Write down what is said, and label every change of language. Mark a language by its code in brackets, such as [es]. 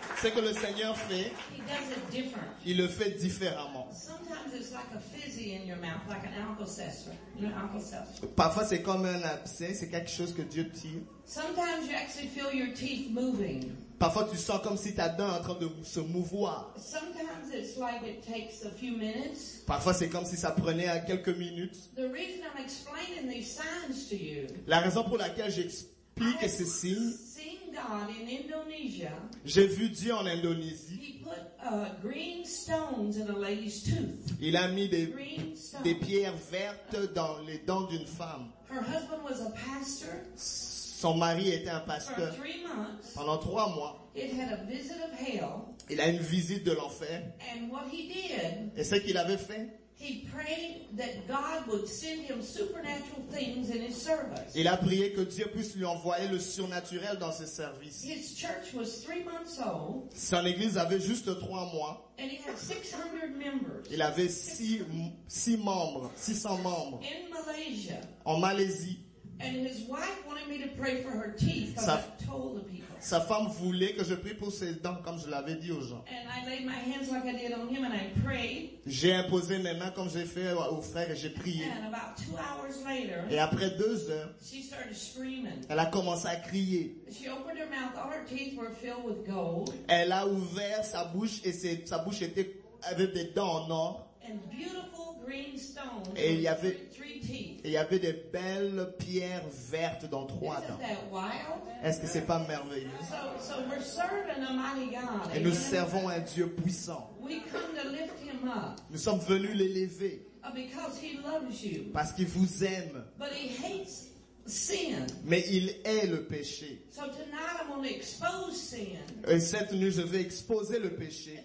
[fr] C'est que le Seigneur fait. [en] He does it different. [fr] Il le fait différemment. [en] Sometimes it's like a fizzy in your mouth, like an Alka-Seltzer. [fr] Parfois c'est comme un abcès, c'est quelque chose que Dieu tire. [en] Sometimes you actually feel your teeth moving. [fr] Parfois tu sens comme si ta dent est en train de se mouvoir. [en] Sometimes it's like it takes a few minutes. [fr] Parfois c'est comme si ça prenait quelques minutes. [en] The reason I'm explaining these signs to you, [fr] la raison pour laquelle j'explique ces signes, [en] seen God in Indonesia, [fr] j'ai vu Dieu en Indonésie. [en] He put, green stones in a lady's tooth. [fr] Il a mis des pierres vertes dans les dents d'une femme. [en] Her husband was a pastor. [fr] Son mari était un pasteur. [en] For 3 months, [fr] pendant 3 mois, [en] it had a visit of hell, [fr] il a une visite de l'enfer. [en] And what he did, [fr] et ce qu'il avait fait, [en] he prayed that God would send him supernatural things in his service. [fr] Il a prié que Dieu puisse lui envoyer le surnaturel dans ses services. [en] His church was 3 months old. [fr] Son église avait juste 3 mois. [en] And he had 600 members. [fr] Il avait 600 membres. [en] In Malaysia. [fr] En Malaisie. [en] And his wife wanted me to pray for her teeth, because I told the people. [fr] Sa femme voulait que je prie pour ses dents, comme je l'avais dit aux gens. [en] And I laid my hands like I did on him, and I prayed. [fr] J'ai imposé mes mains comme j'ai fait au frère et j'ai prié. [en] And about 2 hours later, [fr] et après 2 heures, [en] she started screaming. [fr] Elle a commencé à crier. [en] She opened her mouth, all her teeth were filled with gold. [fr] Elle a ouvert sa bouche et sa bouche était avec des dents en or. [en] And beautiful green stones. [fr] Et il y avait des belles pierres vertes dans 3 dents. Est-ce que c'est pas merveilleux? [en] So we're serving a mighty God. [fr] Et nous servons un Dieu puissant. [en] We come to lift him up. [fr] Nous sommes venus l'élever. [en] Because he loves you. [fr] Parce qu'il vous aime. [en] But he hates sin. [fr] Mais il hait le péché. [en] So tonight I'm gonna expose sin. [fr] Et cette nuit, je vais exposer le péché.